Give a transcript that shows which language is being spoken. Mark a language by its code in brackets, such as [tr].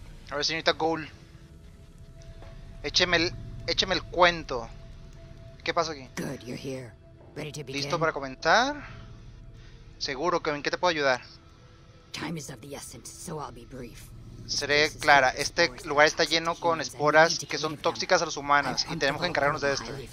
[es] A ver, señorita Ghoul. Écheme el cuento. ¿Qué pasa aquí? [en] Good, you're here. Ready to begin. [es] ¿Listo para comentar? Seguro que en qué te puedo ayudar. [en] Time is of the essence, so I'll be brief. [es] Seré clara, este lugar está lleno con esporas que son tóxicas a los humanos y tenemos que encargarnos de esto.